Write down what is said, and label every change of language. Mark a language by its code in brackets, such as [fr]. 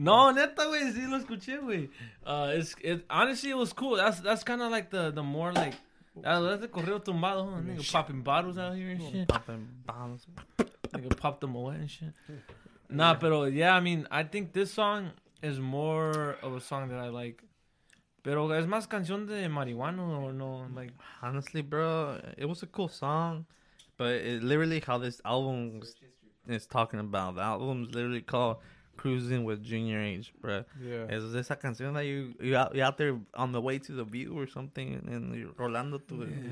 [es] No, neta, güey, sí lo escuché, güey. [en] Honestly, it was cool. That's kind of like the more like... That's the corrido tumbado, huh? Nigga popping bottles out here and shit. Popping bottles. Nigga popped them away and shit. Nah, but yeah, I mean, I think this song is more of a song that I like. [es] Pero es más canción de marihuana or no? [en] Like honestly, bro, it was a cool song, but it literally how this album is talking about. The album is literally called "Cruising with Junior H," bro. Yeah, [es] es esa canción [en] that you out there on the way to the view or something and you're [es] rolando tu